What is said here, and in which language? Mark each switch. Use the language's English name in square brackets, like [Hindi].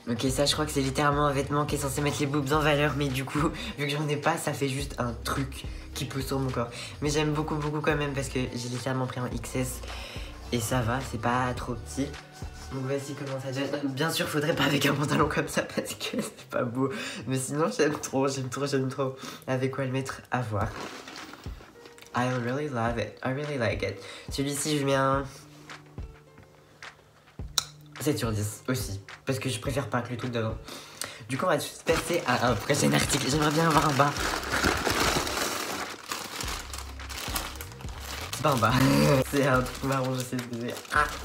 [French] Ok, ça je crois que c'est littéralement un vêtement qui est censé mettre les boobs en valeur. Mais du coup, vu que j'en ai pas, ça fait juste un truc qui pousse sur mon corps. Mais j'aime beaucoup beaucoup quand même, parce que j'ai littéralement pris en XS. Et ça va, c'est pas trop petit. Donc voici comment ça donne. Bien sûr, faudrait pas avec un pantalon comme ça parce que c'est pas beau. Mais sinon, j'aime trop. Avec quoi le mettre? À voir. [English] I really love it. I really like it. [French] Celui-ci, je mets un 7 sur 10 aussi. Parce que je préfère pas que le truc d'avant. Du coup, on va juste passer à un prochain article. J'aimerais bien avoir un bas. C'est pas un bas. C'est un truc marron, je sais ce que c'est. Ah!